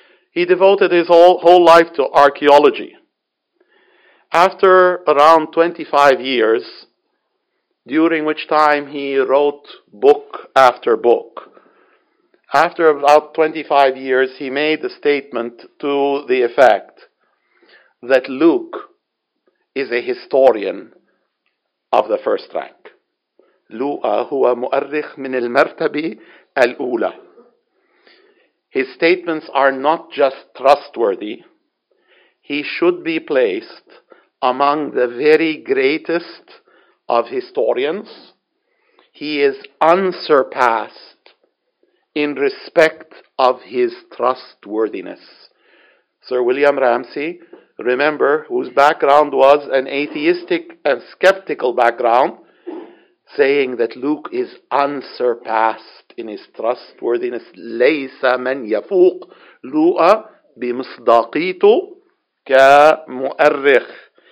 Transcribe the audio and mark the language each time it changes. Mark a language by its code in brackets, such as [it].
[en] He devoted his whole life to archaeology. After around 25 years, during which time he wrote book after book, after about 25 years, he made a statement to the effect that Luke is a historian of the first rank. [ar] Luke هو مؤرخ من المرتبة الأولى. [en] his statements are not just trustworthy, he should be placed among the very greatest of historians. He is unsurpassed in respect of his trustworthiness. Sir William Ramsay, remember, whose background was an atheistic and skeptical background, saying that Luke is unsurpassed in his trustworthiness. [ar] ليس من يفوق لؤى بمصداقيته كمؤرخ.